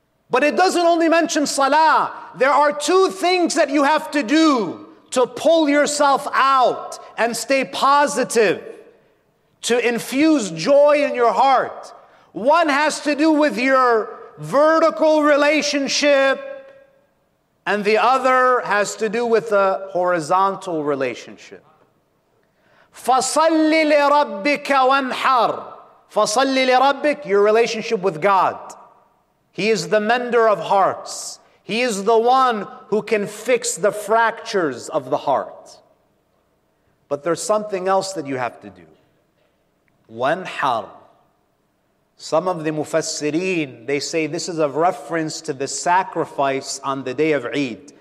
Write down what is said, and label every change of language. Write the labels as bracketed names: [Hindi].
[English] But it doesn't only mention salah. There are two things that you have to do to pull yourself out and stay positive, to infuse joy in your heart. One has to do with your vertical relationship, and the other has to do with a horizontal relationship. [Arabic] فَصَلِّ لِرَبِّكَ وَانْحَرْ فَصَلِّ لِرَبِّكَ [English] your relationship with God. He is the mender of hearts. He is the one who can fix the fractures of the heart. But there's something else that you have to do. وَانْحَرْ Some of the mufassireen, they say this is a reference to the sacrifice on the day of Eid.